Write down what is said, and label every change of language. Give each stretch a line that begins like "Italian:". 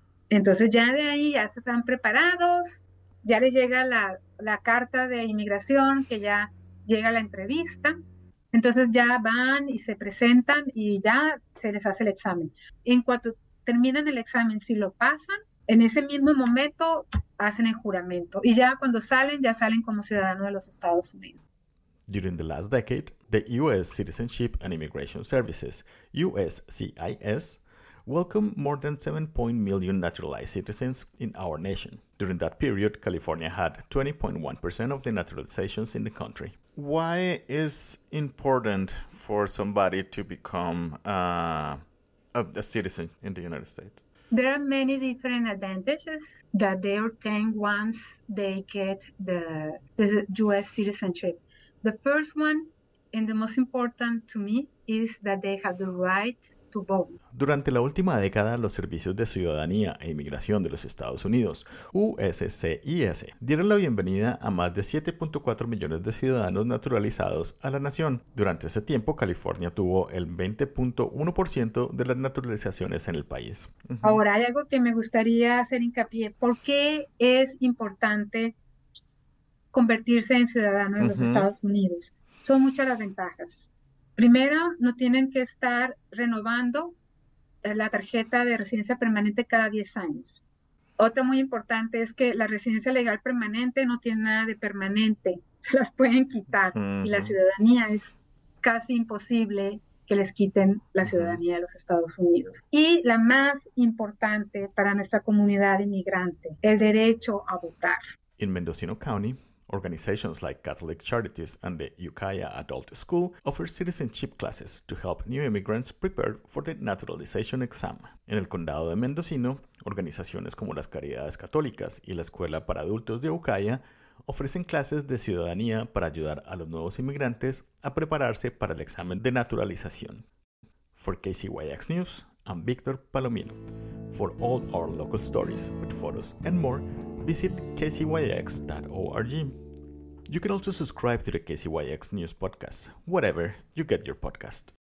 Spanish: Entonces, ya de ahí ya se están preparados, ya les llega la carta de inmigración, que ya llega la entrevista. Entonces ya van y se presentan y ya se les hace el examen. En cuanto terminan el examen, si lo pasan, en ese mismo momento hacen el juramento. Y ya salen como ciudadanos de los Estados Unidos.
English: During the last decade, the U.S. Citizenship and Immigration Services, USCIS, welcomed more than 7 million naturalized citizens in our nation. During that period, California had 20.1% of the naturalizations in the country. Why is important for somebody to become a citizen in the United States? There are many different advantages that they obtain once they get the U.S. citizenship. The first one, and the most important to me, is that they have the right to vote.
Spanish: Durante la última década, los Servicios de Ciudadanía e Inmigración de los Estados Unidos, USCIS, dieron la bienvenida a más de 7.4 millones de ciudadanos naturalizados a la nación. Durante ese tiempo, California tuvo el 20.1% de las naturalizaciones en el país. Ahora, hay algo que me gustaría hacer hincapié. ¿Por qué es importante convertirse en ciudadano de los Estados Unidos? Son muchas las ventajas. Primero, no tienen que estar renovando la tarjeta de residencia permanente cada 10 años. Otra muy importante es que la residencia legal permanente no tiene nada de permanente. Se las pueden quitar y la ciudadanía es casi imposible que les quiten la ciudadanía de los Estados Unidos. Y la más importante para nuestra comunidad inmigrante, el derecho a votar.
English: En Mendocino County, organizations like Catholic Charities and the Ukiah Adult School offer citizenship classes to help new immigrants prepare for the naturalization exam.
Spanish: En el condado de Mendocino, organizaciones como las Caridades Católicas y la Escuela para Adultos de Ukiah ofrecen clases de ciudadanía para ayudar a los nuevos inmigrantes a prepararse para el examen de naturalización.
English: For KCYX News, I'm Victor Palomino. For all our local stories with photos and more, visit kcyx.org. You can also subscribe to the KCYX News podcast, wherever you get your podcast.